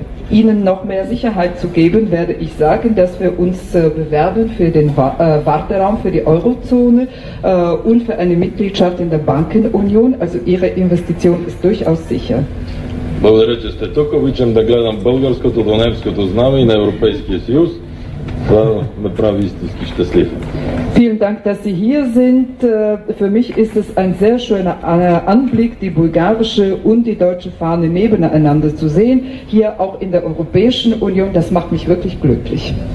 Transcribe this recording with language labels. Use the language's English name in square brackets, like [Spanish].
[German] Ihnen noch mehr Sicherheit zu geben, werde ich sagen, dass wir uns bewerben für den Warteraum für die Eurozone und für eine Mitgliedschaft in der Bankenunion. Also Ihre Investition ist durchaus sicher. [Bulgarian] Благодаря, че сте тук. Обичам да гледам българското, донемското знаме и на Европейския съюз. Това ме прави истински щастлив. [German] Vielen Dank, dass Sie hier sind. Für mich ist es ein sehr schöner Anblick, die bulgarische und die deutsche Fahne nebeneinander zu sehen. Hier auch in der Europäischen Union. Das macht mich wirklich glücklich.